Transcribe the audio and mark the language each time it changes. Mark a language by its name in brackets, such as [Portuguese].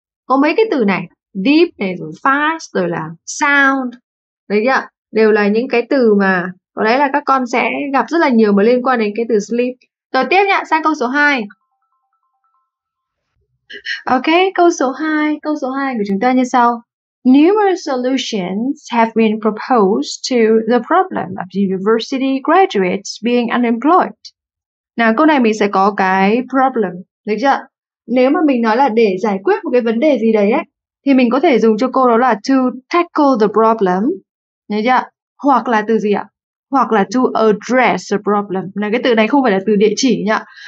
[Vietnamese] Có mấy cái từ này, deep này, rồi fast, rồi là sound. Đấy chưa ạ? Đều là những cái từ mà có lẽ là các con sẽ gặp rất là nhiều mà liên quan đến cái từ sleep. Rồi tiếp nhá, sang câu số 2. Ok, câu số 2 của chúng ta như sau. [English] Numerous solutions have been proposed to the problem of university graduates being unemployed. [Vietnamese] Nào, câu này mình sẽ có cái problem, được chưa? Nếu mà mình nói là để giải quyết một cái vấn đề gì đấy ấy, thì mình có thể dùng cho cô đó là [English] to tackle the problem, [Vietnamese] được chưa? Hoặc là từ gì ạ? Hoặc là [English] to address the problem. [Vietnamese] Này, cái từ này không phải là từ địa chỉ nhá.